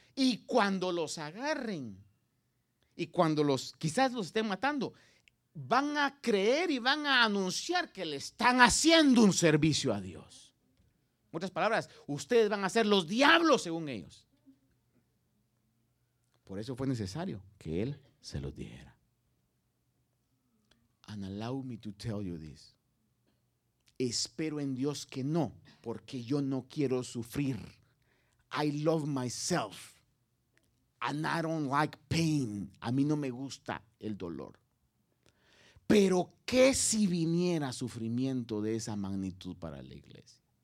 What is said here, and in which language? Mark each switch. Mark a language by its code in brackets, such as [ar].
[es] Y cuando los agarren y cuando los quizás los estén matando, van a creer y van a anunciar que le están haciendo un servicio a Dios. En otras palabras, ustedes van a ser los diablos según ellos. Por eso fue necesario que él se los dijera. [en] And allow me to tell you this. [es] Espero en Dios que no, porque yo no quiero sufrir. [en] I love myself. And I don't like pain. [es] A mí no me gusta el dolor. Pero ¿qué si viniera sufrimiento de esa magnitud para la iglesia?